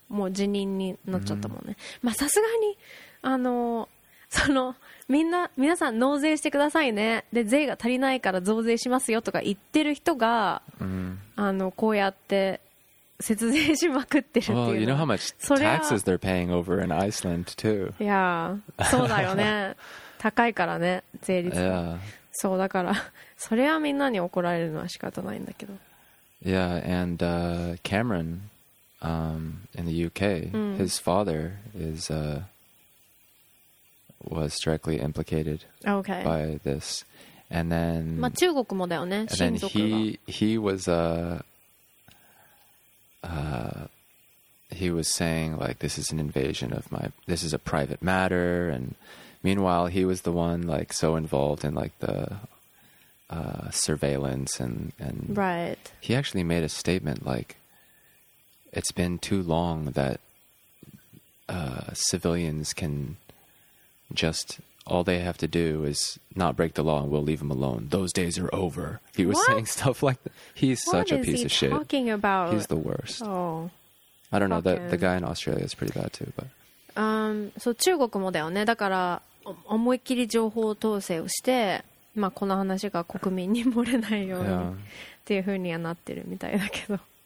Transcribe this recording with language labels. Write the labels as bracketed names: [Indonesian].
[Japanese] もう辞任になっちゃったもんね。まあ、さすがに、皆さん納税してくださいね、で税が足りないから増税しますよとか言ってる人が、こうやって節税しまくってるっていう。 [English] Well, you know how much taxes they're paying over in Iceland too. Yeah, [Japanese] そうだよね、高いからね、税率。 [English] Yeah. [Japanese] そうだから、それはみんなに怒られるのは仕方ないんだけど。 [English] Yeah, and Cameron in the UK, his father is was directly implicated okay. by this. And then... [Japanese] まあ中国もだよね、親族が。 [English] And then he was... he was saying, like, this is an invasion of my... This is a private matter. And meanwhile, he was the one, like, so involved in, like, the surveillance and... Right. He actually made a statement, like, it's been too long that civilians can just... All they have to do is not break the law and we'll leave them alone. Those days are over. He was What? Saying stuff like that. He's What such a piece of shit. What is he talking about? He's the worst. Oh. I don't know. The guy in Australia is pretty bad too. But. So, [Japanese] 中国もだよね。だから、思いっきり情報統制をして、まあ、この話が国民に漏れないように、 [English] yeah. [Japanese] っていうふうにはなってるみたいだけど。